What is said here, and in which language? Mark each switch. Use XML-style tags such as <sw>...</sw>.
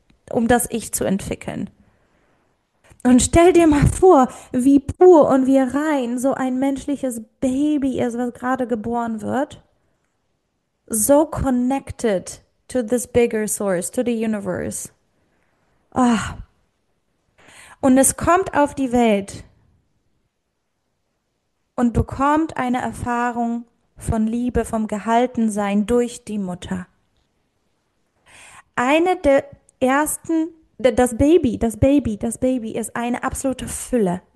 <de>Um das Ich zu entwickeln. Und stell dir mal vor, wie pur und wie rein so ein menschliches Baby ist, was gerade geboren wird.</de> <en>So connected to this bigger source, to the universe. Oh.</en> <de>Und es kommt auf die Welt und bekommt eine Erfahrung von Liebe, vom Gehaltensein durch die Mutter. Eine der ersten, das Baby ist eine absolute Fülle.</de>